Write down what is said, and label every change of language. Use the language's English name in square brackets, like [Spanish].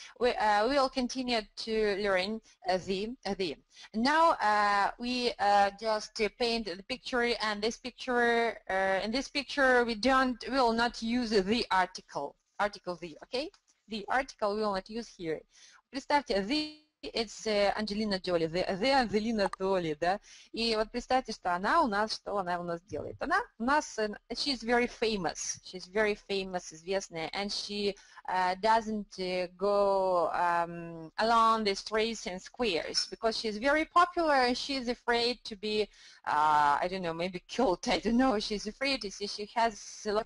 [English] We will continue to learn the. Now we just paint the picture, and this picture. In this picture, we will not use the article the. Okay, the article we will not use here. [Russian] Представьте the. [English] It's Анджелина Джоли, the Анджелина Джоли, да? [Russian] И вот представьте, что она у нас, что она у нас делает? Она у нас, [English] she's very famous, [Russian] известная, [English] and she doesn't go along the streets and squares, because she's very popular, and she's afraid to be, I don't know, maybe killed, I don't know, she's afraid, you see, she has